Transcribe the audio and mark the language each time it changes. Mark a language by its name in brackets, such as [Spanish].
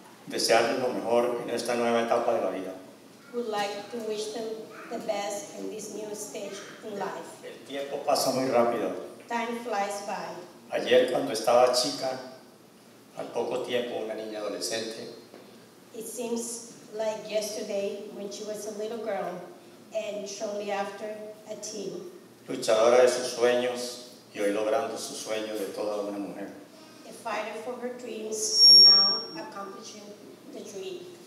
[Spanish] Desearles lo mejor en esta nueva etapa de la vida. [English] Would like to wish them the best in this new stage in life. [Spanish] El tiempo pasa muy rápido. [English] Time flies by. [Spanish] Ayer cuando estaba chica. Al poco tiempo, una niña adolescente. [English] It seems like yesterday when she was a little girl, and shortly after, a teen. [Spanish] Luchadora de sus sueños, y hoy logrando su sueño de toda una mujer. [English] A fighter for her dreams, and now accomplishing the dream.